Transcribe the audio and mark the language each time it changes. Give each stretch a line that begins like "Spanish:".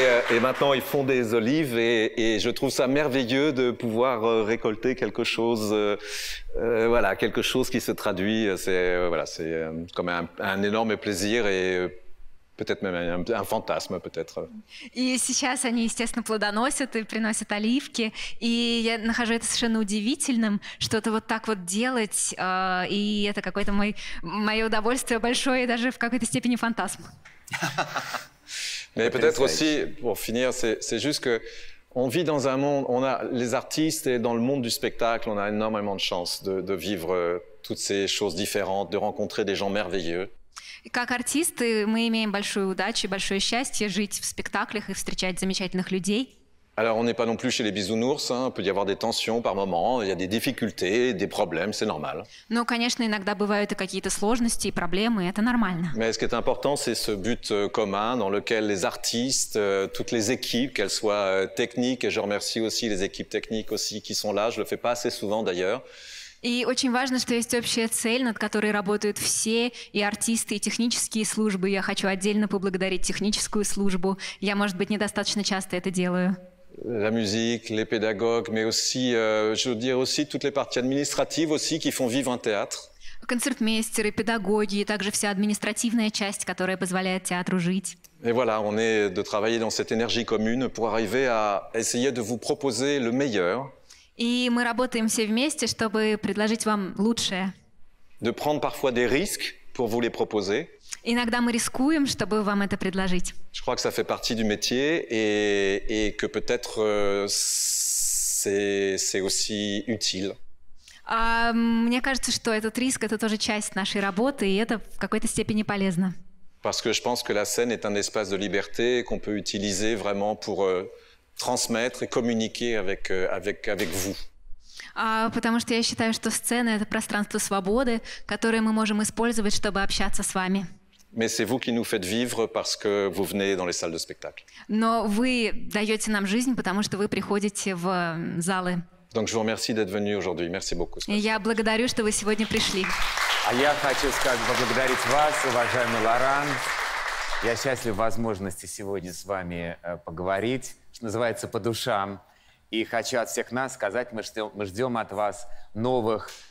French: Et maintenant, ils font des olives et je trouve ça merveilleux de pouvoir récolter quelque chose, voilà, quelque chose qui se traduit. C'est comme un énorme plaisir et peut-être même un fantasme, peut-être.
Russian: Et сейчас они, естественно, плодоносят и приносят оливки, и я нахожу это совершенно удивительным, что-то вот так вот делать, и это какое-то мое удовольствие большое, даже в какой-то степени фантазм.
French: Mais peut-être aussi, pour finir, c'est juste qu'on vit dans un monde, on a les artistes et dans le monde du spectacle, on a énormément de chance de vivre toutes ces choses différentes, de rencontrer des gens merveilleux. Comme artistes, nous avons
Russian: большую удачу et большое счастье жить в спектаклях и встречать замечательных людей.
French: Alors, on n'est pas non plus chez les bisounours, hein. Il peut y avoir des tensions par moment, il y a des difficultés, des problèmes, c'est normal.
Russian: Ну, конечно, иногда бывают и какие-то сложности, и проблемы, это нормально.
French: Mais ce qui est important, c'est ce but commun dans lequel les artistes, toutes les équipes, qu'elles soient techniques, et je remercie aussi les équipes techniques aussi qui sont là, je le fais pas assez souvent d'ailleurs.
Russian: И очень важно, что есть общая цель, над которой работают все, и артисты, и технические службы. Я хочу отдельно поблагодарить техническую службу. Я, может быть, недостаточно часто это делаю.
French: La musique, les pédagogues, mais aussi, je veux dire aussi toutes les parties administratives aussi qui font vivre un théâtre.
Russian: Концертмейстеры, педагоги, также вся административная часть, которая позволяет театру жить.
French: Et voilà, on est de travailler dans cette énergie commune pour arriver à essayer de vous proposer le meilleur.
Russian: И мы работаем все вместе, чтобы предложить вам лучшее.
French: De prendre parfois des risques pour vous les proposer.
Russian: Иногда мы рискуем, чтобы вам это предложить.
French: Je crois que ça fait partie du métier et que peut-être c'est aussi utile.
Russian: Мне кажется, что этот риск это тоже часть нашей работы и это в какой-то степени полезно.
French: Parce que je pense que la scène est un espace de liberté qu'on peut utiliser vraiment pour transmettre et communiquer avec vous.
Russian: Потому что я считаю, что сцена это пространство свободы, которое мы можем использовать, чтобы общаться с вами.
French: Mais c'est vous qui nous faites vivre parce que vous venez dans les salles de spectacle.
Russian: Но вы даете нам жизнь, потому что вы приходите в залы.
French: Donc je vous remercie d'être venu aujourd'hui. Merci beaucoup.
Russian: Спасибо. Я благодарю, что вы сегодня пришли. А я хочу сказать поблагодарить вас, уважаемый Лоран. Я счастлив возможности сегодня с вами поговорить, что называется по душам, и хочу от всех нас сказать, мы ждем от вас новых.